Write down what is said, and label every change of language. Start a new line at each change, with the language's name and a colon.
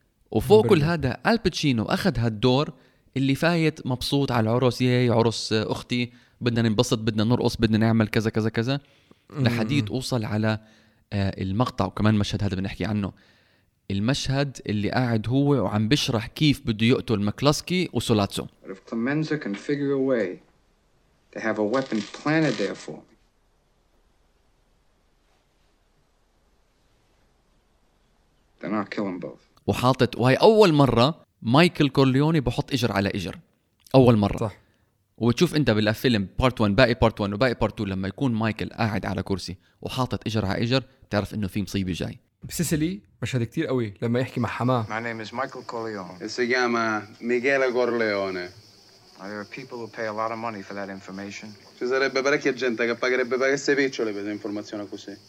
Arabic: وفوق كل هذا الباتشينو أخذ هالدور اللي فايت مبسوط على العرس، ياي عرس أختي، بدنا ننبسط، بدنا نرقص، بدنا نعمل كذا كذا كذا، لحديد أوصل على المقطع. وكمان مشهد هذا بنحكي عنه، المشهد اللي قاعد هو وعم بشرح كيف بده يقتل مكلاسكي وسولاتسو.
English: But if Clemenza can figure a way to have a weapon planted there for me, then I'll kill them both.
Arabic: وحاطت، وهي أول مرة مايكل كورليوني بحط إجر على إجر، أول مرة. صح. وتشوف انت بالفيلم بارت 1 باقي بارت 1 وباقي بارت 2 لما يكون مايكل قاعد على كرسي وحاطط اجر على اجر، بتعرف انه في مصيبه جاي. سيسيلي مشهد كتير قوي لما يحكي مع حماه.
English: My name is Michael Corleone.
Italian: Si chiama Michele Corleone.
English: There are people who pay a lot of money for that information.
Italian: Ci sarebbe parecchia gente che pagherebbe parecchie picciole per informazione così.